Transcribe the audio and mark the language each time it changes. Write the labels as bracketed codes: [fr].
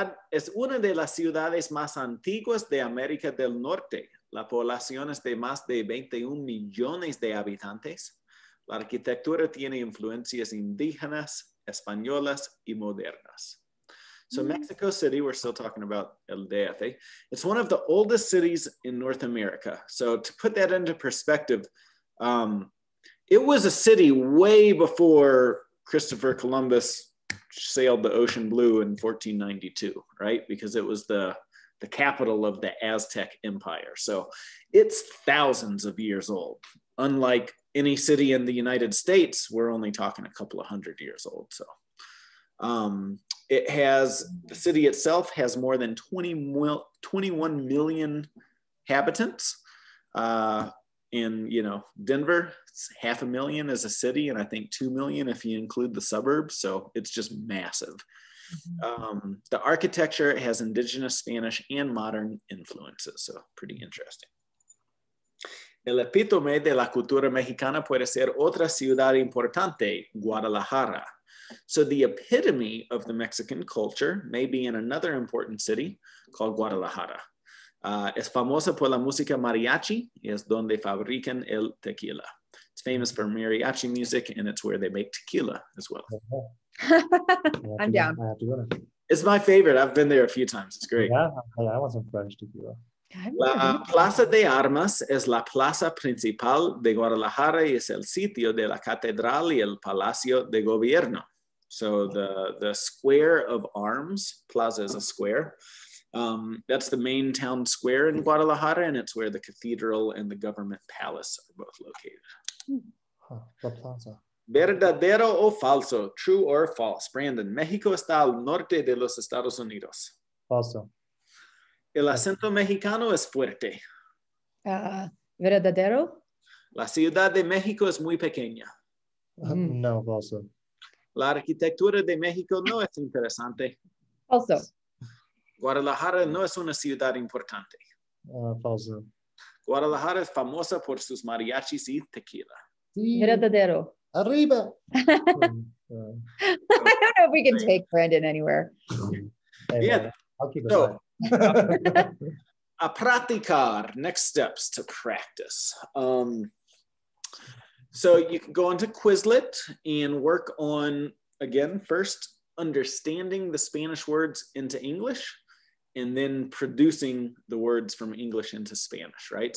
[es] Es una de las ciudades más antiguas de América del Norte. La población es de más de 21 millones de habitantes. La arquitectura tiene influencias indígenas, españolas, y modernas. [en] So Mexico City, we're still talking about El DF. It's one of the oldest cities in North America. So to put that into perspective, it was a city way before Christopher Columbus sailed the ocean blue in 1492, right? Because it was the capital of the Aztec Empire. So it's thousands of years old. Unlike any city in the United States, we're only talking a couple of hundred years old. So the city itself has more than 21 million inhabitants. And Denver, half a million is a city, and I think 2 million if you include the suburbs. So it's just massive. The architecture has indigenous Spanish and modern influences, so pretty interesting. [es] El epítome de la cultura mexicana puede ser otra ciudad importante, Guadalajara. [en] So the epitome of the Mexican culture may be in another important city called Guadalajara. [es] Es famosa por la música mariachi y es donde fabrican el tequila. [en] It's famous for mariachi music and it's where they make tequila as well. I'm down. It's my favorite. I've been there a few times. It's great. Yeah, I want some French tequila. [es] La Plaza de Armas es la plaza principal de Guadalajara y es el sitio de la catedral y el palacio de gobierno. [en] So the square of arms, plaza is a square. That's the main town square in Guadalajara, and it's where the cathedral and the government palace are both located. [es] La plaza. Verdadero o falso, [en] true or false. [es] Brandon, México está al norte de los Estados Unidos. Falso. El acento mexicano es fuerte. Verdadero. La Ciudad de México es muy pequeña. No, falso. La arquitectura de México no es interesante. Falso. Guadalajara no es una ciudad importante. Falso. Guadalajara es famosa por sus mariachis y tequila. Sí. Verdadero. Arriba. [en] I don't know if we can take Brandon anywhere. Hey, yeah. I'll keep it so, [es] a practicar, [en] next steps to practice. So you can go into Quizlet and work on, again, first understanding the Spanish words into English and then producing the words from English into Spanish, right?